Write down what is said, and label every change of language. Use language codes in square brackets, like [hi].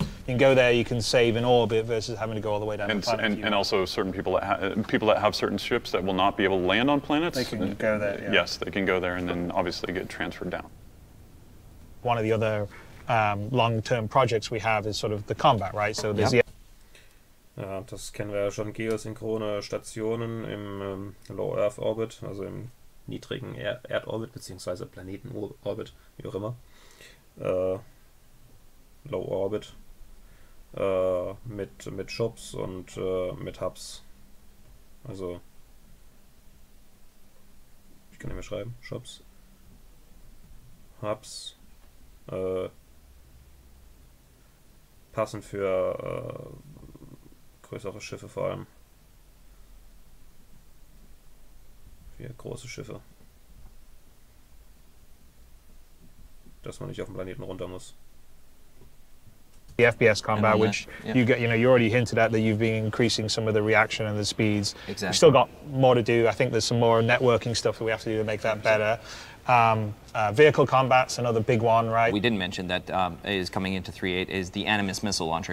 [en] To the, you can go there, you can save in orbit versus having to go all the way down and, to the planet. And also certain people that have certain ships that will not be able to land on planets. They can go there, yeah. Yes, they can go there and then obviously get transferred down. One of the other long-term projects we have is sort of the combat, right? So there's yeah. [de] Ja, das kennen wir ja schon, geosynchrone Stationen im Low Earth Orbit, also im niedrigen Erdorbit bzw. Planetenorbit, wie auch immer. Low Orbit. Mit Shops und mit Hubs. Also. Ich kann nicht mehr schreiben. Shops. Hubs. Passend für größere Schiffe vor allem. Für große Schiffe. Dass man nicht auf dem Planeten runter muss. [en] The FBS combat, you get, you know, you already hinted at that you've been increasing some of the reaction and the speeds. Exactly. We've still got more to do. I think there's some more networking stuff that we have to do to make that better. Vehicle combat's another big one, right? We didn't mention that is coming into 3.8 is the Animus missile launcher.